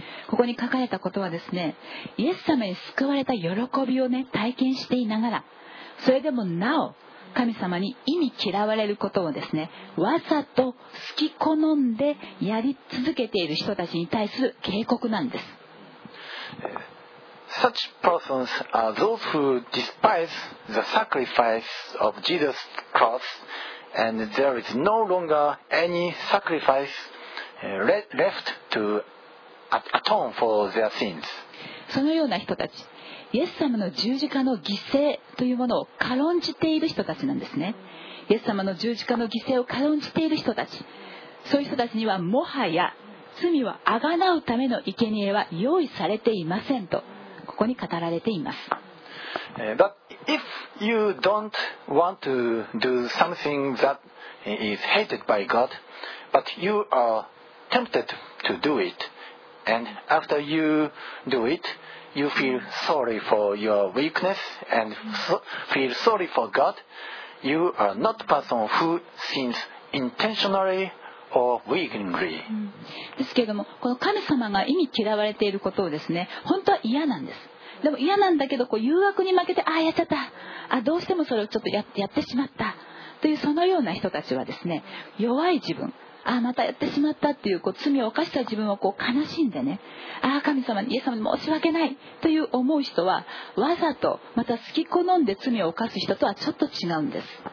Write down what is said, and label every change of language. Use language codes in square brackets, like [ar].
[ja] ここに書かれたことはですね、イエス様に救われた喜びをね、体験していながら、それでもなお神様に忌み嫌われることをですね、わざと好き好んでやり続けている人たちに対する警告なんです。 [en] Such persons are those who despise the sacrifice of Jesus' cross, and there is no longer any sacrifice left to atone for their sins. [ja] そのような人たち、イエス様の十字架の犠牲というものを軽んじている人たちなんですね。イエス様の十字架の犠牲を軽んじている人たち、そういう人たちにはもはや罪は贖うための生贄は用意されていませんと、ここに語られています。 [en] But if you don't want to do something that is hated by God, but you are tempted to do it, and after you do itYou feel sorry for your weakness and feel sorry for God. You are not a person who sins intentionally or willingly. [ja] ですけれども、この神様が忌み嫌われていることをですね、本当は嫌なんです。でも嫌なんだけど、こう誘惑に負けて、ああやっちゃった。あ、どうしてもそれをちょっとやってしまった。というそのような人たちはですね、弱い自分。ああまたやってしまったってい う, こう罪を犯した自分をこう悲しんでね、ああ神様にイエス様に申し訳ないという思う人は、わざとまた好き好んで罪を犯す人とはちょっと違うんです。